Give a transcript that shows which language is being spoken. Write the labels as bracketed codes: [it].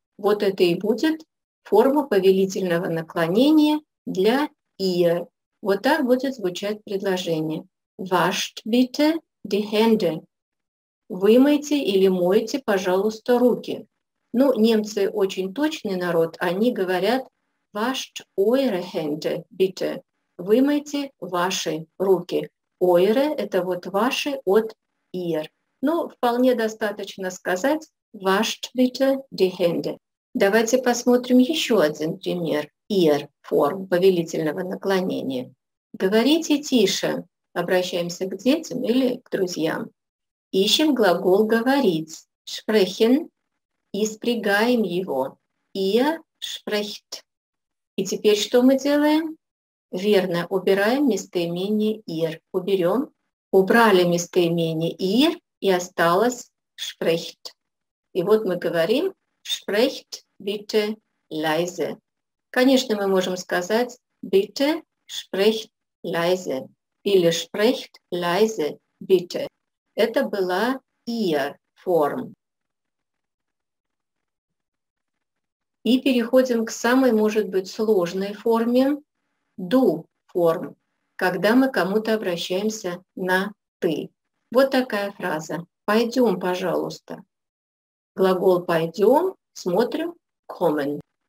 [ru] Вот это и будет форма повелительного наклонения для ihr. Вот так будет звучать предложение. [de] Wascht bitte die Hände. [ru] Вымойте или мойте, пожалуйста, руки. Ну, немцы очень точный народ. Они говорят [de] Wascht eure Hände bitte. [ru] Вымойте ваши руки. Eure – это вот ваши от ihr. Ну, вполне достаточно сказать [de] Wascht bitte die Hände. [ru] Давайте посмотрим еще один пример. Ihr – форм повелительного наклонения. Говорите тише. Обращаемся к детям или к друзьям. Ищем глагол «говорить» – «sprechen» и спрягаем его. [de] «Ihr sprecht». [ru] И теперь что мы делаем? Верно, убираем местоимение «ihr». Уберем. Убрали местоимение «ihr» и осталось «sprecht». И вот мы говорим [de] «sprecht bitte leise». [ru] Конечно, мы можем сказать [de] «bitte sprecht leise» [ru] или [de] «sprecht leise bitte». [ru] Это была ihr форм. И переходим к самой, может быть, сложной форме du форм, когда мы кому-то обращаемся на ты. Вот такая фраза. Пойдем, пожалуйста. Глагол пойдем, смотрим, kommen.